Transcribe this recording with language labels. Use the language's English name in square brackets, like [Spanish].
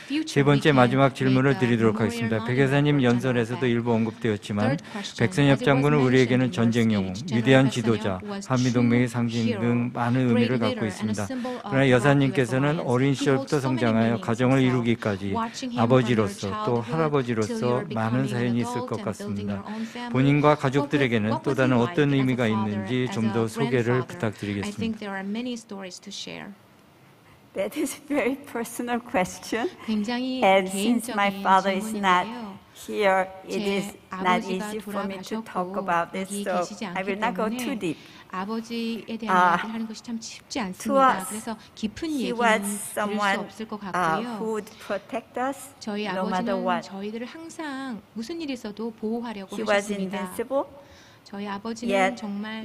[Korean] 세 번째 마지막 질문을 드리도록 하겠습니다. 백 여사님 연설에서도 일부 언급되었지만 백선엽 장군은 우리에게는 전쟁 영웅, 위대한 지도자, 한미동맹의 상징 등 많은 의미를 갖고 있습니다. 그러나 여사님께서는 어린 시절부터 성장하여 가정을 이루기까지 아버지로서 또 할아버지로서 많은 사연이 있을 것 같습니다. 본인과 가족들에게는 또 다른 어떤 의미가 있는 좀 더 소개를 부탁드리겠습니다. [English] I think there are many stories to share. That is a very personal question. [Korean] 굉장히 [English] And since my father is not here, it is not easy for me to talk about this. So I will not go too deep. [Korean] 아버지에 대한 얘기를 하는 것이 참 쉽지 않습니다. 그래서 깊은 얘기는 들을 수 없을 것 같고요. 저희 아버지는 저희들을 항상 무슨 일이 있어도 보호하려고 하셨습니다. 저희 아버지는 정말